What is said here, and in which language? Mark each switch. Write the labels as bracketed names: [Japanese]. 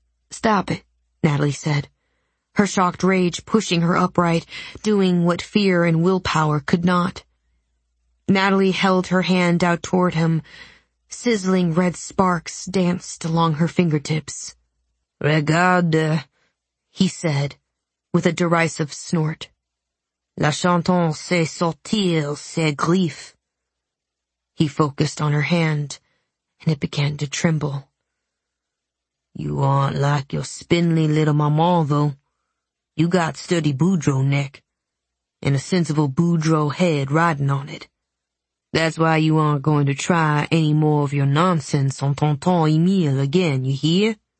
[English] "Stop it," Natalie said, her shocked rage pushing her upright, doing what fear and willpower could not. Natalie held her hand out toward him. Sizzling red sparks danced along her fingertips. [French] "Regarde," [English] he said, with a derisive snort. [French] "La chanson sait sortir ses griffes." [English] He focused on her hand, and it began to tremble. "You aren't like your spindly little mama, though. You got sturdy Boudreaux neck, and a sensible Boudreaux head riding on it. That's why you aren't going to try any more of your nonsense on Tonton Emile again, you hear?"